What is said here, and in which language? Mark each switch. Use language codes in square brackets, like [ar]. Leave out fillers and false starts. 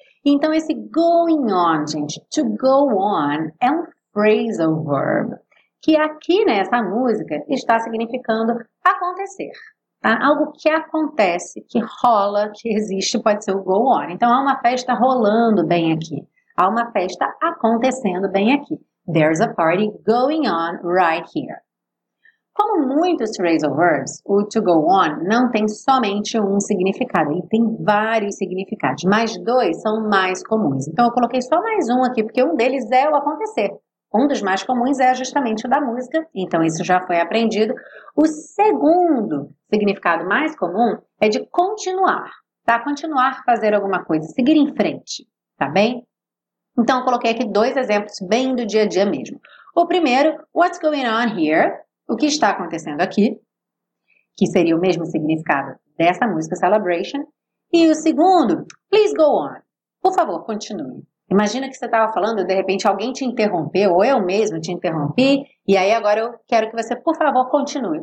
[pt] Então, esse going on, gente, to go on, é um phrasal verb, que aqui nessa música está significando acontecer, tá? Algo que acontece, que rola, que existe, pode ser o go on. Então, há uma festa rolando bem aqui. Há uma festa acontecendo bem aqui. [en] There's a party going on right here. [pt] Como muitos phrasal verbs, o to go on não tem somente um significado, ele tem vários significados, mas dois são mais comuns. Então, eu coloquei só mais um aqui, porque um deles é o acontecer, Um dos mais comuns é justamente o da música, então isso já foi aprendido. O segundo significado mais comum é de continuar, tá? Continuar fazer alguma coisa, seguir em frente, tá bem? Então, eu coloquei aqui dois exemplos bem do dia a dia mesmo. O primeiro, [en] what's going on here? [pt] O que está acontecendo aqui? Que seria o mesmo significado dessa música, Celebration. E o segundo, [en] please go on. [pt] Por favor, continue. Imagina que você estava falando e de repente alguém te interrompeu, ou eu mesmo te interrompi, e aí agora eu quero que você, por favor, continue.